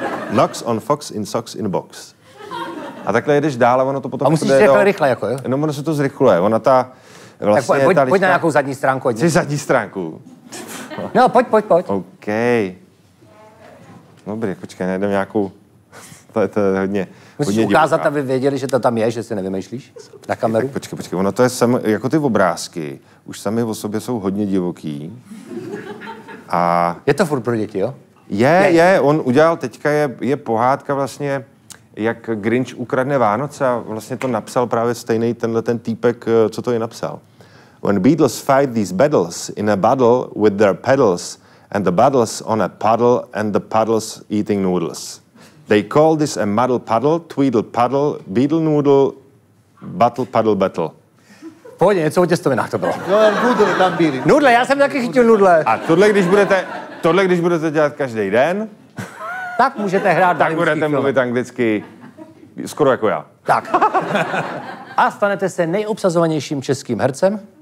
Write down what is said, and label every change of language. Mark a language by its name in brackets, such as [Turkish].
[English] Knox on fox in socks in box. [Czech] A takhle jedeš dál a ono to potom... A musíš jde rychle, rychle, jako jo? No, ono se to zrychluje. Ona ta... Vlastně tak pojď, ta lička... pojď na nějakou zadní stránku. Jsi zadní stránku? No, pojď, pojď, pojď. OK. Dobrý, počkej, najdem nějakou... to je hodně... Musíš ukázat, aby věděli, že to tam je, že si nevymýšlíš na kameru. Tak, počkej, počkej, ono to je sami, jako ty obrázky, už sami o sobě jsou hodně divoký. A je to furt pro děti, jo? Je, on udělal, teďka je pohádka vlastně, jak Grinch ukradne Vánoce a vlastně to napsal právě stejný tenhle ten týpek, co to i napsal. [English] When Beatles fight these battles in a battle with their pedals and the battles on a puddle and the puddles eating noodles. They call this a muddle puddle, tweedle puddle, beetle noodle, battle puddle battle. [Czech] Pohodně, něco o těstovinách to bylo. No, noodle tam byly. Noodle, já jsem taky chytil noodle. A tohle, když budete dělat každý den, tak můžete hrát tak budete film. Mluvit anglicky, skoro jako já. Tak. A stanete se nejobsazovanějším českým hercem?